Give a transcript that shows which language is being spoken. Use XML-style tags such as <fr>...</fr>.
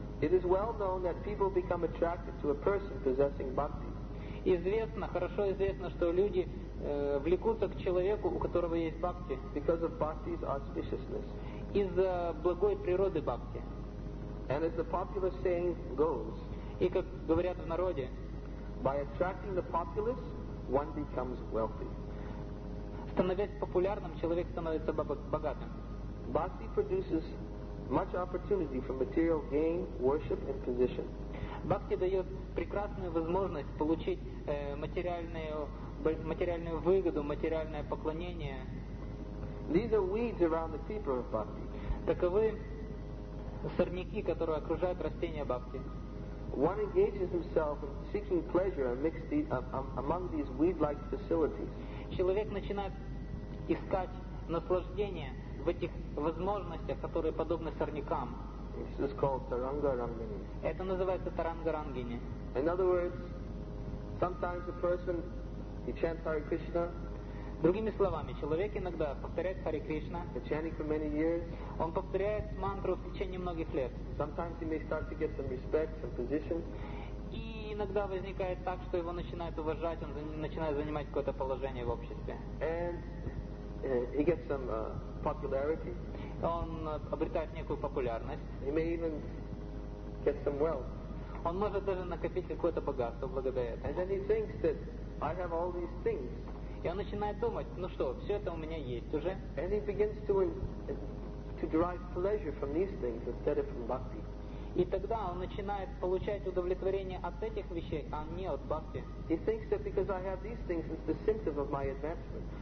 <en>It is well known that people become attracted to a person possessing bhakti.</en> <ru>Известно, хорошо известно, что люди влекутся к человеку, у которого есть бхакти.</ru> <en>Because of bhakti's auspiciousness.</en> <ru>Из-за благой природы бхакти.</ru> <en>And as the popular saying goes,</en> <ru>и как говорят в народе,</ru> <en>by attracting the populace, one becomes wealthy.</en> <ru>Становясь популярным, человек становится богатым.</ru> <en>Bhakti produces much opportunity for material gain, worship, and position.</en> <ru>Бхакти дает прекрасную возможность получить материальную выгоду, материальное поклонение.</ru> <en>These are weeds around the creeper of bhakti.</en> <ru>Таковы сорняки, которые окружают растения бхакти.</ru> <en>One engages himself in seeking pleasure amongst these, among these weed-like facilities.</en> <ru>Человек начинает искать наслаждение в этих возможностях, которые подобны сорнякам.</ru> <en>This is called Taranga Rangini.</en> <ru>Это называется Taranga Rangini.</ru> <en>In other words, sometimes a person he chants Hare Krishna.</en> <ru>Другими словами, человек иногда повторяет Hare Krishna.</ru> <en>He's chanting for many years.</en> <ru>Он повторяет мантру в течение многих лет.</ru> <en>Sometimes he may start to get some respect, some position.</en> <ru>И иногда возникает так, что его начинают уважать, он начинает занимать какое-то положение в обществе.</ru> <en>And he gets some popularity.</en> <ru>Он обретает некую популярность.</ru> <en>He may even get some wealth.</en> <ru>Он может даже накопить какое-то богатство благодаря этому.</ru> <en>And then he thinks that I have all these things.</en> <ru>И он начинает думать, ну что, все это у меня есть уже.</ru> <en>And he begins to to derive pleasure from these things instead of from bhakti.</en> <ru>И тогда он начинает получать удовлетворение от этих вещей, а не от бхакти.</ru> <en>He thinks that because I have these things, it's the symptom of my advancement.</en>